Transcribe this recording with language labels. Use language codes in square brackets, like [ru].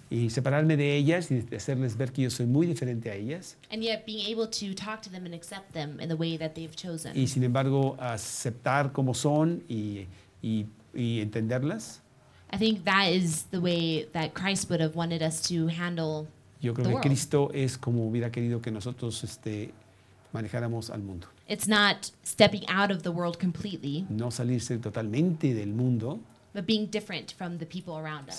[es] Y separarme de ellas y hacerles ver que yo soy muy diferente a ellas. [en] And yet being able to talk to them and accept them in the way that they've chosen. [es] Y sin embargo, aceptar como son y entenderlas. [en] I think that is the way that Christ would have wanted us to handle the world. [es] Yo creo que Cristo es como hubiera querido que nosotros manejáramos al mundo. [en] It's not stepping out of the world completely. [es] No salirse totalmente del mundo. [en] But being different from the people around us.